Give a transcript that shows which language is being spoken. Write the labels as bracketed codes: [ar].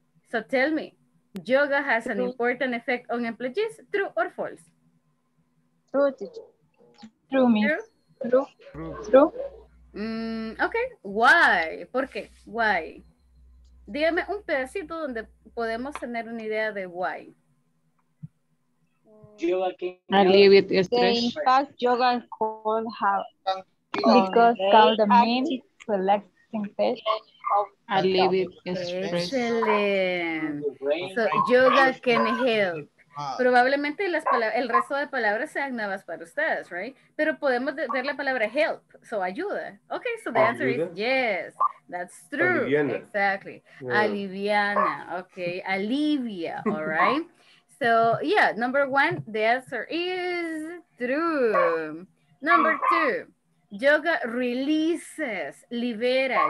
[en] So tell me, yoga has an important effect on employees, true or false? True, teacher. True, me. True. Ok, why? [es] ¿Por qué? [en] Why? [es] Dígame un pedacito donde podemos tener una idea de why. [en] Yoga can alleviate stress. The impact yoga and cold have because calm the mind, relaxing face. Alleviate stress. Excellent. So yoga can help. [es] Probablemente las el resto de palabras sean nuevas para ustedes, right? Pero podemos ver la palabra help, so ayuda. [en] Okay, so the answer is yes, that's true. [es] Aliviana. Exactly. Yeah. Aliviana, okay. Alivia, all right? [en] So, yeah, number one, the answer is true. Number two, yoga releases, libera.